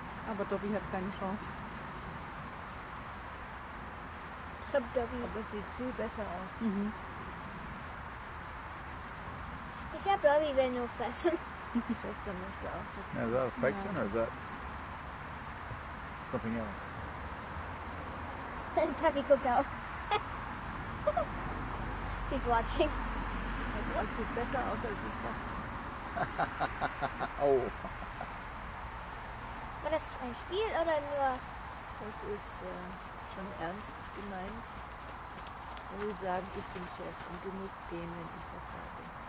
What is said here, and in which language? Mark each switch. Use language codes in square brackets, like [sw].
[de] Aber Dobby hat keine Chance. Ich glaube, Dobby. Aber es sieht viel besser aus. Mhm. Ich glaube, Dobby will nur fressen. Schwester möchte auch. [en] Yeah, is that a fiction or is that something else? [de] Tabby guckt auch. [en] She's watching. [de] Es sieht besser aus als ich dachte. Oh. War das ein Spiel oder nur? Das ist schon ernst gemeint. Ich will sagen, ich bin Chef und du musst gehen, wenn ich das sage.